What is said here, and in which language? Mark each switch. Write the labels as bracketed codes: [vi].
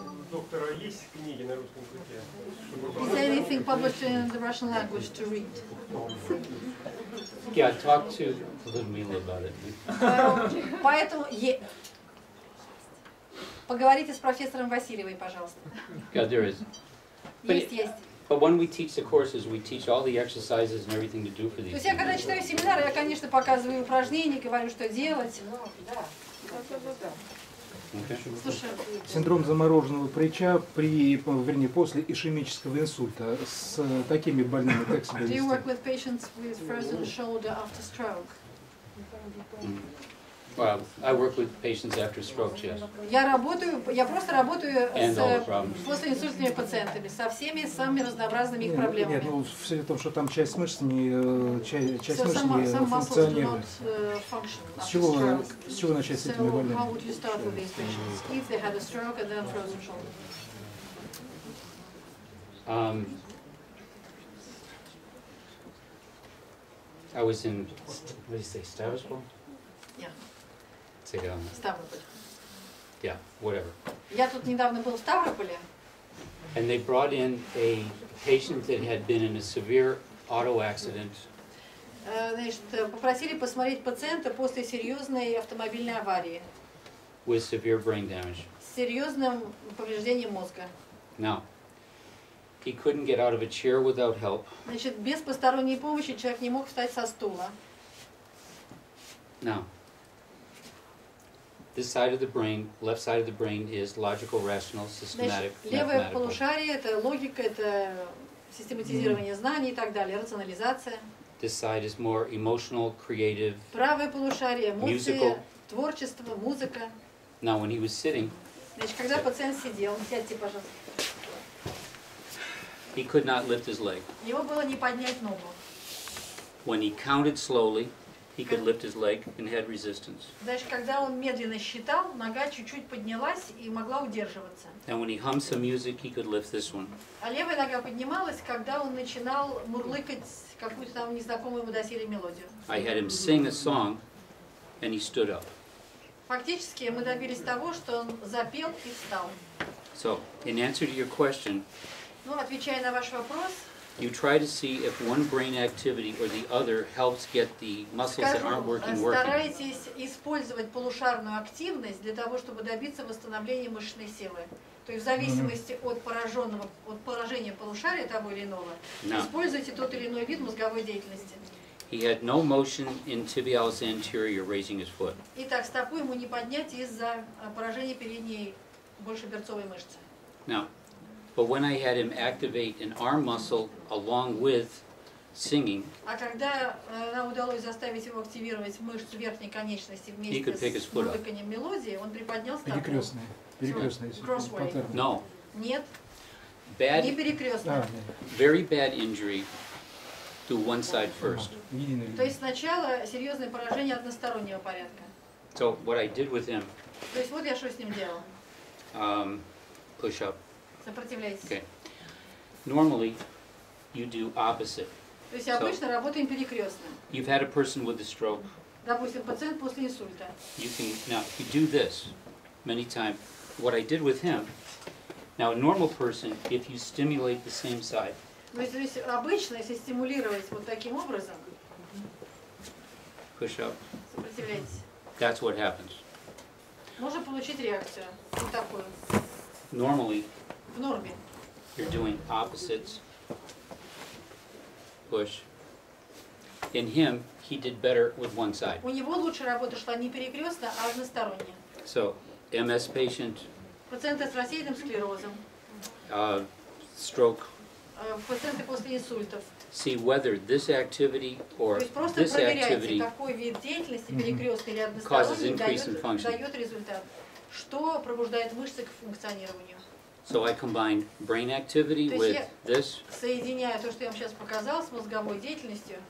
[ru] доктора есть книги на русском языке? [en] Is there anything published in the Russian language to read? Yeah, I talked to Людмила about it. [ru] Поэтому поговорите с профессором Васильевой, пожалуйста. [en] Yeah, there is. [ru] Есть. [en] But when we teach the courses, we teach all the exercises and everything to do for these. [ru] То есть я когда читаю семинар, я, конечно, показываю упражнения, говорю, что делать, но да. [en] Okay. [ru] Синдром замороженного плеча при, вернее, после ишемического инсульта с такими больными, как себя вести? [en] Do you work with patients with frozen shoulder after stroke? Well, I work with patients after stroke, yes. [ru] Я просто работаю с послеинсультными пациентами, со всеми самыми разнообразными их проблемами. Нет, ну, в связи с тем, что там часть мышц не функционирует. С чего начать с этими больными? [en] So, how would you start with these patients if they had a stroke and then frozen shoulder? I was in, what did you say, Stavropol? Yeah. Ставрополь. Yeah, whatever. [ru] Я тут недавно был в Ставрополе. [en] And they brought in a patient that had been in a severe auto accident. [ru] Значит, попросили посмотреть пациента после серьезной автомобильной аварии. [en] With severe brain damage. [ru] С серьезным повреждением мозга. [en] Now, he couldn't get out of a chair without help. [ru] Значит, без посторонней помощи человек не мог встать со стула. [en] Now. This side of the brain, left side of the brain, is logical, rational, systematic, mathematical. [ru] Левое полушарие – это логика, это систематизирование знаний и так далее, рационализация. [en] This side is more emotional, creative. [ru] Правое полушарие – эмоции, творчество, музыка. [en] Now, when he was sitting, [ru] значит, когда пациент сидел, сядьте, пожалуйста. [en] He could not lift his leg. [ru] Его было не поднять ногу. [en] When he counted slowly, he could lift his leg and had resistance. [ru] Значит, когда он медленно считал, нога чуть-чуть поднялась и могла удерживаться. [en] And when he hummed some music, he could lift this one. [ru] А левая нога поднималась, когда он начинал мурлыкать какую-то там незнакомую ему доселе мелодию. [en] I had him sing a song, and he stood up. [ru] Фактически, мы добились того, что он запел и встал. [en] So, in answer to your question. [ru] Ну, отвечая на ваш вопрос. [en] You try to see if one brain activity or the other helps get the muscles that aren't working working. [ru] Старайтесь использовать полушарную активность для того, чтобы добиться восстановления мышечной силы. То есть в зависимости от поражения полушария того или иного, используйте тот или иной вид мозговой деятельности. [en] He had no motion in tibialis anterior raising his foot. [ru] Итак, стопу ему не поднять из-за поражения передней большеберцовой мышцы. [en] Now. But when I had him activate an arm muscle along with singing, [ru] а когда нам удалось заставить его активировать мышцу верхней конечности вместе [en] he could pick his foot [ru] с музыканием мелодии, он приподнял стопу. Перекрестная. [en] No. [ru] Нет. [en] Bad, [ru] не перекрестная. [en] Very bad injury to one side first. [ru] То есть сначала серьезное поражение одностороннего порядка. [en] So what I did with him. [ru] То есть вот я что с ним делал. [en] Push up. [ru] Сопротивляйтесь. [en] Okay. Normally, you do opposite. [ru] То есть обычно работаем перекрестно. [en] You've had a person with a stroke. [ru] Допустим, пациент после инсульта. [en] You can now you do this many times. What I did with him. Now, a normal person, if you stimulate the same side. [ru] То есть обычно, если стимулировать вот таким образом. [en] Push up. [ru] Сопротивляйтесь. [en] That's what happens. [ru] Можно получить реакцию вот такую. [en] Normally. [ru] В норме. [en] You're doing opposites. Push. In him, he did better with one side. [ru] У него лучше работа шла не перекрестно, а односторонне. [en] So, MS patient. [ru] Пациенты с рассеянным склерозом. [en] Stroke. [ru] Пациенты после инсультов. [en] See whether this activity or this activity. [ru] То есть просто проверяйте, какой вид деятельности перекрестный или односторонний дает результат. Что пробуждает мышцы к функционированию? [en] So I combined brain activity with this. [ru] Соединяю то, что я вам сейчас показал, с мозговой деятельностью.